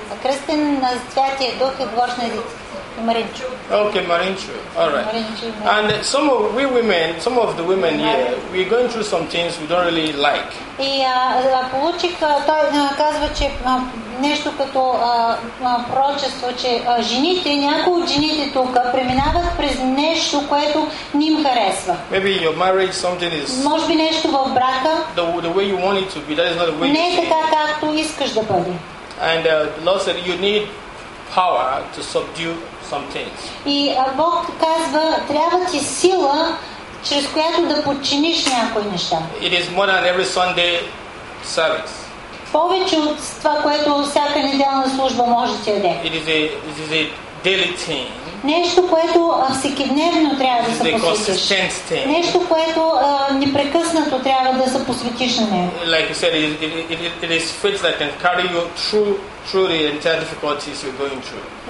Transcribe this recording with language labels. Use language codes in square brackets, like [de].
[bg] Кръстен на Святия Дух и говориш на езици. Маринчо. [en] Okay, Маринчо. All right. [bg] Маринчо. [en] And some of the women here, we're going through some things we don't really like. [bg] И получих, той казва, че нещо като пророчество, че жените, някои от жените тук преминават през нещо, което не им харесва. [en] Maybe your marriage something is. [bg] Може би нещо в брака. [en] The way you want it to be, that is not the way. [bg] Не е така, както искаш да бъде. [en] And Lord said you need power to subdue some things. [bg] И Бог казва, трябва ти сила, чрез която да подчиниш някои неща. [en] It is more than every Sunday service. [bg] Повече от това, което всяка неделна служба може да ти даде. [en] It is a daily thing. [bg] Нещо, което всекидневно трябва да се посветиш. Нещо, което непрекъснато трябва да се посветиш на него. [en] Like you said, it is faith that can carry you through the entire difficulties you're going through.